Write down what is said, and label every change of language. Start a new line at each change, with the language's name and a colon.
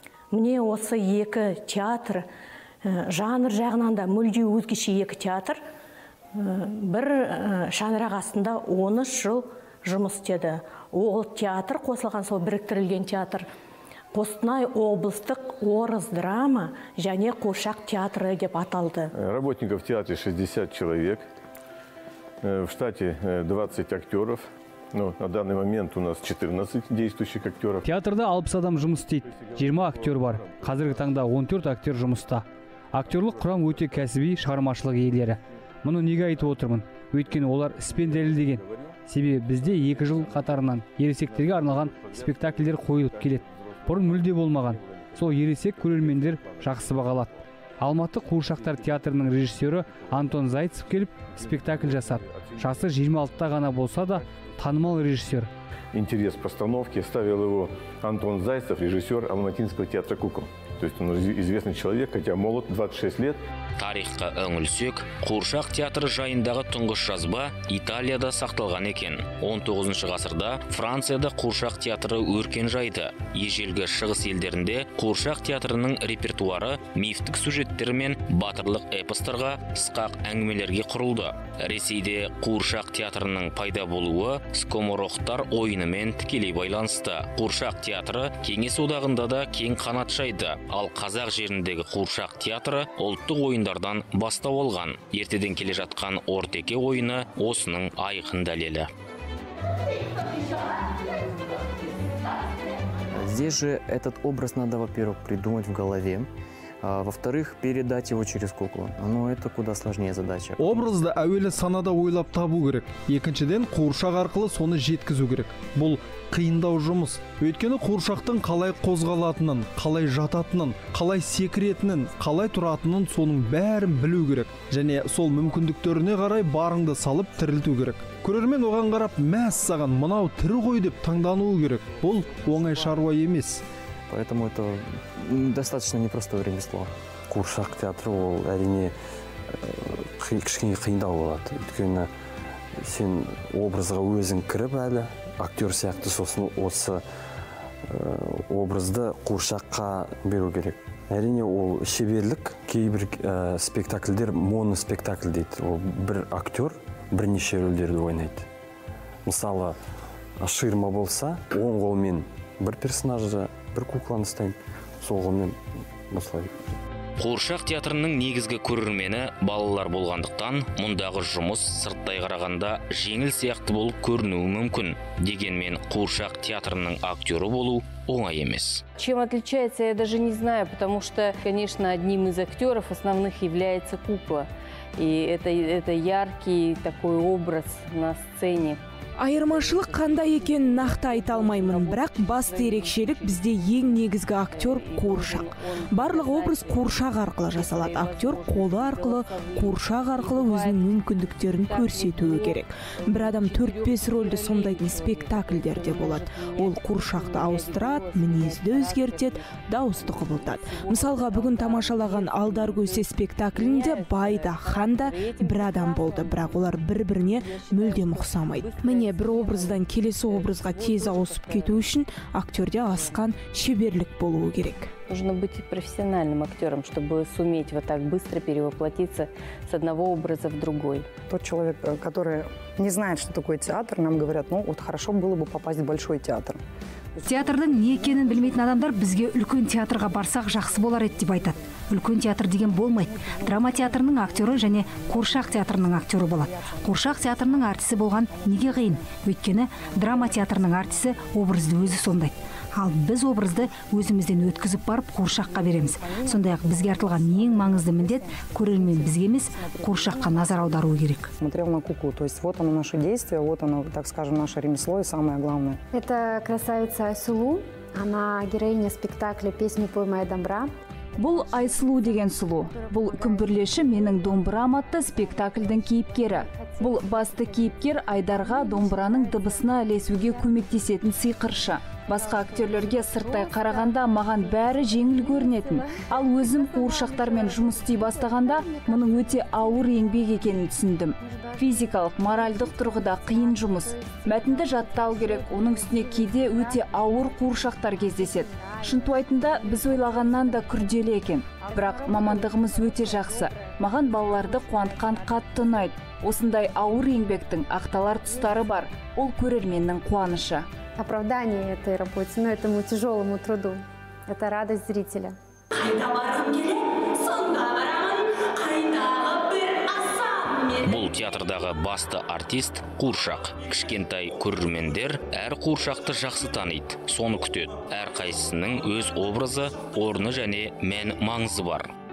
Kazakh: Мне осы екі театр, жанр жағынан да мүлде өзгеше екі театр, бір шаңырақ астында 13 жыл жұмыс істеді. Ол театр қосылған сол біріктірілген театр Қостанай облыстық орыс драма және Қуыршақ театры деп аталды.
Russian: Работников в театре 60 человек, в штате 20 актеров. Ну, на данный момент у нас 14 действующих актеров.
Kazakh: Театрда 60 адам жұмыс істейді. 20 актер бар. Қазіргі таңда 14 актер жұмыста. Актерлық құрам өте кәсіби, шығармашылық иелері. Мұны неге айтып отырмын? Өйткені олар іспен дәлелдеген. Себебі бізде 2 жыл қатарынан ересектерге арналған спектакльдер қойылып келеді. Бұрын мүлде болмаған. Сол ересек көрермендер жақсы бағалады. Алматы Қуыршақтар театрының режиссері Антон Зайцев келіп спектакль жасады. Жасы 26-та ғана болса да танымал режиссер.
Russian: Интерес постановки ставил его Антон Зайцев, режиссер Алматинского театра «Кукол». То есть он известный человек, хотя молод, 26 лет.
Kazakh: Тарихқа үңілсек, Қуыршақ театры жайындағы тұңғыш жазба Италияда сақталған екен. 19-шы ғасырда Францияда Қуыршақ театры өркен жайды. Ежелгі шығыс елдерінде Қуыршақ театрының репертуары мифтік сюжеттермен батырлық эпостарға, сықақ әңгімелерге құрылды. Ресейде Қуыршақ театрының пайда болуы скоморохтар ойынымен тікелей байланысты. Қуыршақ театры Кеңес одағында да кең қанат жайды. Ал қазақ жеріндегі Қуыршақ театры ұлттық ойындардан бастау алған. Ертеден келе жатқан ортеке ойыны осының айқын дәлелі.
Russian: Здесь же этот образ надо, во-первых, придумать в голове. Во-вторых, передать его через куклу. Но это куда сложнее задача.
Kazakh: Образды әуелі санада ойлап табу керек. Екіншіден, Қуыршақ арқылы соны жеткізу керек. Бұл қиындау жұмыс. Өйткені Қуыршақтың қалай қозғалатынын, қалай жататынын, қалай секретінін, қалай тұратынын соның бәрін білу керек. Және сол мүмкіндіктеріне қарай барыңды салып тірілту керек. Көрермен оған қарап, мәс саған мынау тірі ғой деп таңдануы керек. Бұл оңай шаруа емес.
Russian: Поэтому это достаточно непростое ремесло.
Kazakh: Қуыршақ театры ол әрине кішкене қиындау болады. Өйткені сен образға өзің кіріп әлі актер сияқты сосын осы образды Қуыршаққа беру керек. Әрине ол шеберлік. Кейбір спектакльдер моноспектакль дейді. Ол бір актер бірнеше рөлдерді ойнайды. Мысалы ширма болса, оң қолмен бір персонажды бір кукланы ұстайды, сол қолмен осылай. Қуыршақ театрының негізгі көрермені балалар болғандықтан мұндағы жұмыс сырттай қарағанда жеңіл сияқты болып көрінуі мүмкін. Дегенмен Қуыршақ театрының актері болу оңай емес.
Russian: Чем отличается, я даже не знаю, потому что, конечно, одним из актеров основных является кукла. И это яркий такой образ на сцене.
Kazakh: Айырмашылык қандай екен нақты айта алмаймын, бірақ басты ерекшелік бізде ең негізгі актер қуыршақ. Барлық образ қуыршақ арқылы жасалады. Актер қолы арқылы, қуыршақ арқылы өзінің мүмкіндіктерін көрсетуі керек. Бір адам 4-5 рөлді сомдайтын спектакльдерде болады. Ол қуыршақты ауыстырады, мінезді өзгертеді, дауысты құбылтады. Мысалға, бүгін тамашалаған Алдар көсе спектаклінде бай да, хан да бір адам болды, бірақ олар бір-біріне мүлдем ұқсамайды. Міне, бір образдан келесі образға тез ауысып кету үшін актерде асқан шеберлік болуы керек.
Russian: Нужно быть профессиональным актером, чтобы суметь вот так быстро перевоплотиться с одного образа в другой. Тот человек, который не знает, что такое театр, нам говорят, ну вот хорошо было бы попасть в большой театр.
Kazakh: Театрдың не екенін білмейтін адамдар бізге үлкен театрға барсақ жақсы болар еді деп айтады. Үлкен театр деген болмайды. Драма театрының актері және қуыршақ театрының актері болады. Қуыршақ театрының артисі болған неге қиын? Өйткені драма театрының артисі образды өзі сомдайды. Ал біз образды өзімізден өткізіп барып қуыршаққа береміз. Сондай-ақ бізге артылған ең маңызды міндет көрермен бізге емес, қуыршаққа назар аудару керек.
Russian: Смотрел на куклу, то есть вот оно наше действие, вот оно, так скажем, наше ремесло и самое главное. Это красавица Айсулу, она героиня спектакля «Песню поймай домбра».
Kazakh: Бұл Айсулу деген сұлу. Бұл күмбірлеші менің домбырам атты спектакльдің кейіпкері. Бұл басты кейіпкер Айдарға домбыраның дыбысына ілесуге көмектесетін сиқыршы. Басқа актерлерге сырттай қарағанда маған бәрі жеңіл көрінетін. Ал өзім қуыршақтармен жұмыс істей бастағанда мұның өте ауыр еңбек екенін түсіндім. Физикалық, моральдық тұрғыда қиын жұмыс. Мәтінді жаттау керек, оның үстіне кейде өте ауыр қуыршақтар кездеседі. Шынтуайтында біз ойлағаннан да күрделі екен. Бірақ мамандығымыз өте жақсы. Маған балаларды қуантқан қатты ұнайды. Осындай ауыр еңбектің ақталар тұстары бар. Ол көрерменнің қуанышы.
Russian: Оправдание этой работе, но этому тяжелому труду. Это радость зрителя.
Kazakh: Бұл театрдағы басты артист – қуыршақ. Кішкентай көрермендер әр қуыршақты жақсы таниды, соны күтеді. Әр қайсының өз образы, орны және мән маңызы бар.